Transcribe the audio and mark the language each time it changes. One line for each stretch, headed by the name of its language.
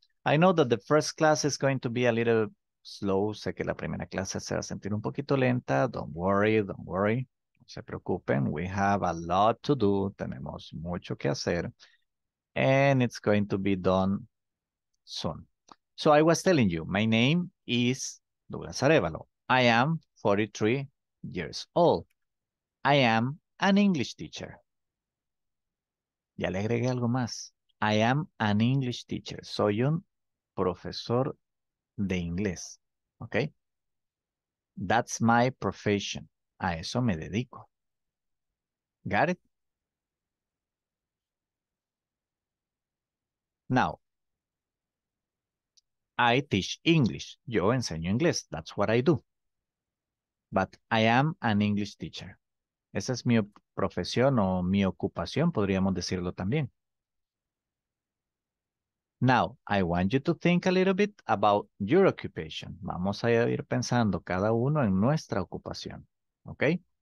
English: I know that the first class is going to be a little slow.
Spanish: Sé que la primera clase se va a sentir un poquito lenta.
English: Don't worry, don't worry.
Spanish: No se preocupen.
English: We have a lot to do.
Spanish: Tenemos mucho que hacer.
English: And it's going to be done soon. So I was telling you, my name is Douglas Arevalo. I am 43 years old. I am an English teacher.
Spanish: Ya le agregué algo más.
English: I am an English teacher.
Spanish: Soy un profesor de inglés, ¿ok?
English: That's my profession.
Spanish: A eso me dedico.
English: Got it? Now, I teach English.
Spanish: Yo enseño inglés.
English: That's what I do. But I am an English teacher.
Spanish: Esa es mi profesión o mi ocupación, podríamos decirlo también.
English: Now, I want you to think a little bit about your occupation.
Spanish: Vamos a ir pensando cada uno en nuestra ocupación, okay?